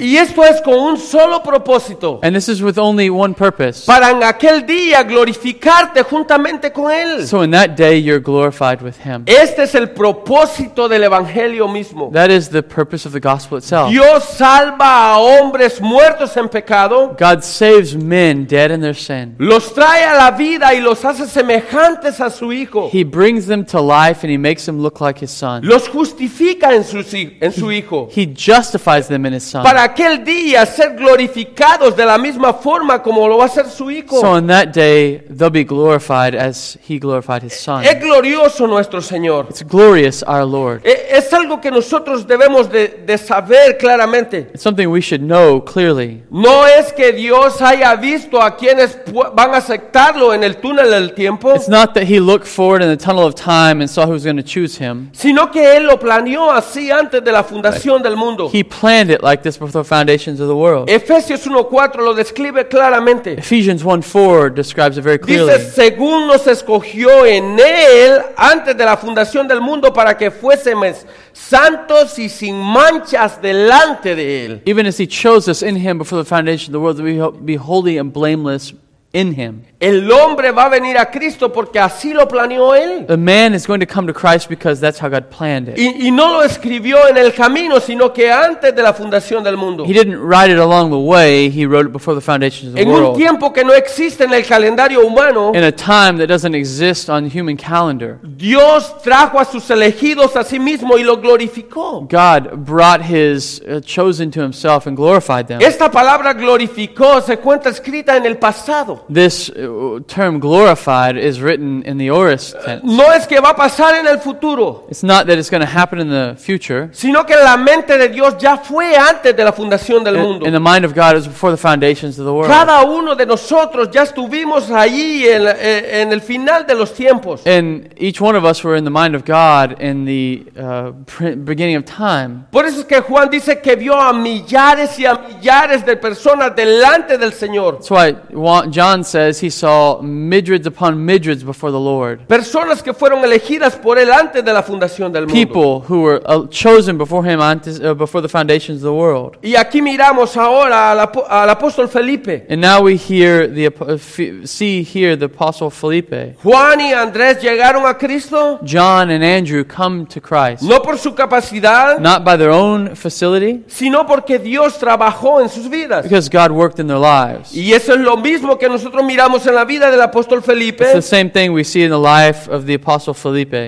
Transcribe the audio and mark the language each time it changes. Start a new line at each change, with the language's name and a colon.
Spanish: Y esto es con un solo propósito.
English: And this is with only one purpose.
Spanish: Para en aquel día glorificarte juntamente con él.
English: So in that day you're glorified with him.
Spanish: Este es el propósito del evangelio mismo.
English: That is the purpose of the gospel itself.
Spanish: Dios salva a hombres muertos en pecado.
English: God saves men dead in their sin.
Spanish: Los trae a la vida y los hace semejantes a su hijo.
English: He brings them to life and he makes them look like his son.
Spanish: Los justifica en su hijo.
English: He justifies them in his son.
Spanish: Para aquel día ser glorificados de la misma forma como lo va a ser su hijo.
English: So on that day they'll be glorified as he glorified his son.
Spanish: Es glorioso nuestro Señor.
English: It's glorious our Lord.
Spanish: Es algo que nosotros debemos de saber claramente.
English: It's something we should know clearly.
Spanish: No es que Dios haya visto a quienes van a aceptarlo en el túnel.
English: It's not that he looked forward in the tunnel of time and saw who was going to choose him.
Spanish: Sino que él lo planeó así antes de la fundación del mundo.
English: He planned it like this before the foundations of the world.
Spanish: Efesios 1:4 lo describe claramente.
English: Ephesians 1:4 describes it very clearly.
Spanish: Dice, según nos escogió en él antes de la fundación del mundo para que fuésemos santos y sin manchas delante de él.
English: Even as he chose us in him before the foundation of the world, that we be holy and blameless in him.
Spanish: El hombre va a venir a Cristo porque así lo planeó él.
English: The man is going to come to Christ because that's how God planned it.
Spanish: Y no lo escribió en el camino, sino que antes de la fundación del mundo.
English: He didn't write it along the way, he wrote it before the foundations of the world.
Spanish: En un tiempo que no existe en el calendario humano.
English: In a time that doesn't exist on the human calendar.
Spanish: Dios trajo a sus elegidos a sí mismo y lo glorificó.
English: God brought his chosen to himself and glorified them.
Spanish: Esta palabra glorificó se cuenta escrita en el pasado.
English: This term glorified is written in the aorist tense.
Spanish: No es que va a pasar en el futuro.
English: It's not that it's going to happen in the future.
Spanish: Sino que la mente de Dios ya fue antes de la fundación del mundo.
English: In the mind of God is before the foundations of the world.
Spanish: Cada uno de nosotros ya estuvimos allí en el final de los tiempos.
English: And each one of us were in the mind of God in the beginning of time.
Spanish: Por eso es que Juan dice que vio a millares y a millares de personas delante del Señor.
English: That's why John says he saw midriads upon midriads before the Lord.
Spanish: Personas que fueron elegidas por él antes de la fundación del mundo.
English: People who were chosen before him
Spanish: antes,
English: before the foundations of the world.
Spanish: Y aquí miramos ahora al apóstol Felipe.
English: And now we hear the see here the apostle Felipe.
Spanish: Juan y Andrés llegaron a Cristo.
English: John and Andrew come to Christ.
Spanish: No por su capacidad.
English: Not by their own facility.
Spanish: Sino porque Dios trabajó en sus vidas.
English: Because God worked in their lives.
Spanish: Y eso es lo mismo que nosotros miramos en la vida del apóstol Felipe.
English: It's the same thing we see in the life of the apostle Felipe.